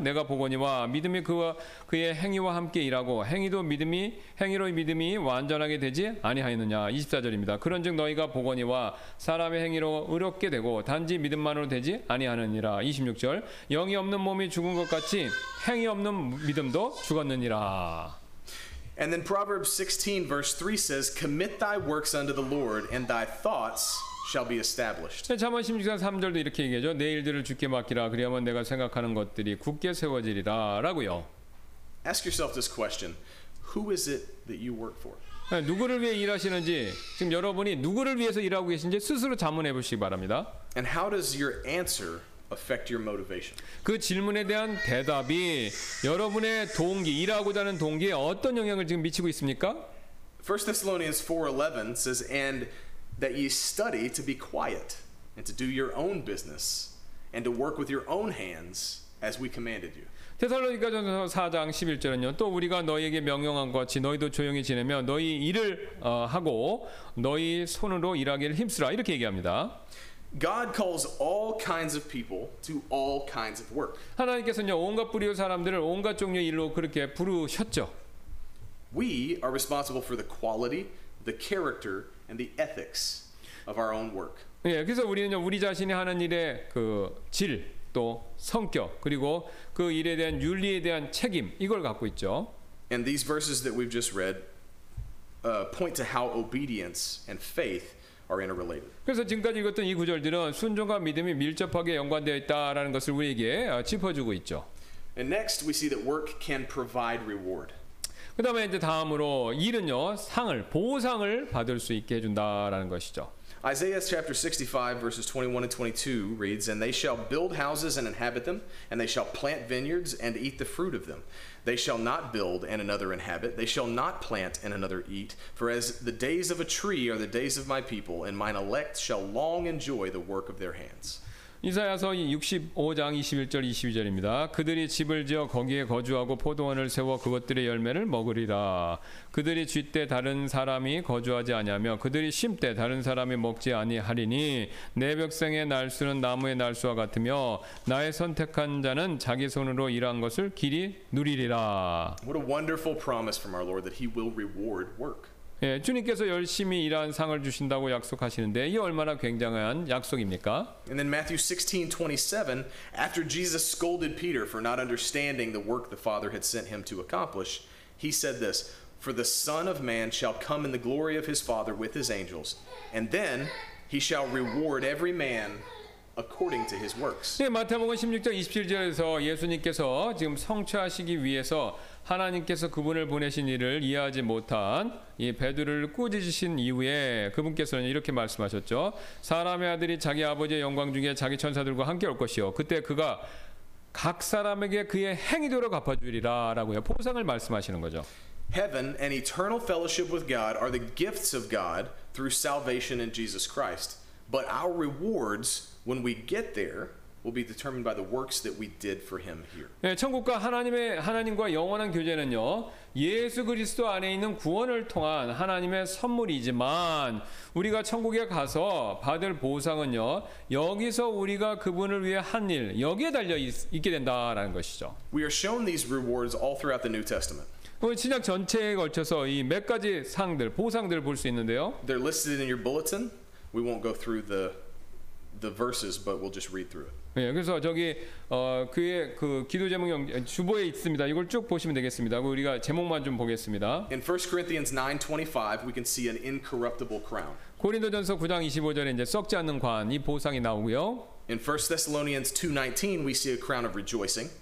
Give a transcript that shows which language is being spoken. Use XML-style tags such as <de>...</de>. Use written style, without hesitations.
<ko>내가 보거니와 믿음이 그의 행위와 함께 일하고 행위로 믿음이 완전하게 되지 아니하였느냐? 24절입니다. 그런즉 너희가 보거니와 사람의 행위로 의롭게 되고 단지 믿음만으로 되지 아니하느니라. 26절. 영이 없는 몸이 죽은 것 같이 행위 없는 믿음도 죽었느니라.</ko> <en>And then Proverbs 16 verse 3 says, Commit thy works unto the Lord, and thy thoughts shall be established.</en> <ko>잠언 16장 3절도 이렇게 얘기하죠. 내 일들을 주께 맡기라. 그리하면 내가 생각하는 것들이 굳게 세워지리라. 라고요.</ko> <en>Ask yourself this question. Who is it that you work for?</en> <ko>누구를 위해 일하시는지 지금 여러분이 누구를 위해서 일하고 계신지 스스로 자문해 보시기 바랍니다.</ko> <en>And how does your answer affect your motivation?</en> <ko>그 질문에 대한 대답이 여러분의 동기, 일하고자 하는 동기에 어떤 영향을 지금 미치고 있습니까?</ko> <en>1 Thessalonians 4:11 says and that ye study to be quiet and to do your own business and to work with your own hands as we commanded you.</en> <ko>데살로니가전서 4장 11절은요. 또 우리가 너희에게 명령한 것 같이 너희도 조용히 지내며 너희 일을 하고 너희 손으로 일하기를 힘쓰라 이렇게 얘기합니다.</ko> <en>God calls all kinds of people to all kinds of work.</en> <ko>하나님께서는요, 온갖 부류의 사람들을 온갖 종류의 일로 그렇게 부르셨죠.</ko> <en>We are responsible for the quality, the character and the ethics of our own work.</en> <ko>예, 그래서 우리는요, 우리 자신이 하는 일의 그 질 또 성격 그리고 그 일에 대한 윤리에 대한 책임 이걸 갖고 있죠.</ko> <en>And these verses that we've just read point to how obedience and faith are interrelated.</en> <ko>그래서 지금까지 읽었던 이 구절들은 순종과 믿음이 밀접하게 연관되어 있다라는 것을 우리에게 짚어주고 있죠.</ko> <en>And next we see that work can provide reward.</en> <ko>그 다음에 이제 다음으로 일은요 상을 보상을 받을 수 있게 해준다라는 것이죠.</ko> <en>Isaiah chapter 65 verses 21 and 22 reads, And they shall build houses and inhabit them, and they shall plant vineyards and eat the fruit of them. They shall not build and another inhabit, they shall not plant and another eat. For as the days of a tree are the days of my people, and mine elect shall long enjoy the work of their hands.</en> <ko>이사야서 65장 21절 22절입니다. 그들이 집을 지어 거기에 거주하고 포도원을 세워 그것들의 열매를 먹으리라. 그들이 쥐때 다른 사람이 거주하지 아니하며 그들이 심때 다른 사람이 먹지 아니하리니 내 백성의 날수는 나무의 날수와 같으며 나의 선택한 자는 자기 손으로 일한 것을 길이 누리리라.</ko> <en>What a wonderful promise from our Lord that he will reward work.</en> <ko>예, 주님께서 열심히 일한 상을 주신다고 약속하시는데 이 얼마나 굉장한 약속입니까?</ko> <en>And then Matthew 16:27, after Jesus scolded Peter for not understanding the work the Father had sent him to accomplish, he said this, "For the Son of Man shall come in the glory of his Father with his angels, and then he shall reward every man according to his works."</en> <ko>예, 마태복음 16장 27절에서 예수님께서 지금 성취하시기 위해서 하나님께서 그분을 보내신 일을 이해하지 못한 이 베드로를 꾸짖으신 이후에 그분께서는 이렇게 말씀하셨죠. 사람의 아들이 자기 아버지의 영광 중에 자기 천사들과 함께 올 것이요. 그때 그가 각 사람에게 그의 행위대로 갚아주리라 라고요. 보상을 말씀하시는 거죠.</ko> <en>Heaven and eternal fellowship with God are the gifts of God through salvation in Jesus Christ. But our rewards when we get there will be determined by the works that we did for him here.</en> <ko>예, 천국과 하나님과 영원한 교제는요. 예수 그리스도 안에 있는 구원을 통한 하나님의 선물이지만 우리가 천국에 가서 받을 보상은요. 여기서 우리가 그분을 위해 한 일, 여기에 달려 있게 된다라는 것이죠.</ko> <en>We are shown these rewards all throughout the New Testament.</en> <ko>신약 전체에 걸쳐서 이 몇 가지 상들, 보상들을 볼 수 있는데요.</ko> <en>They're listed in your bulletin. We won't go through the verses, but we'll just read through it.</en> <ko>예, 그래서 저기 그의 그 기도 제목 주보에 있습니다. 이걸 쭉 보시면 되겠습니다. 우리가 제목만 좀 보겠습니다.</ko> <en>In 1 Corinthians 9:25, we can see an incorruptible crown.</en> <ko>고린도전서 9장 25절에 이제 썩지 않는 관, 이 보상이 나오고요.</ko> <en>In 1 Thessalonians 2:19, we see a crown of rejoicing.</en>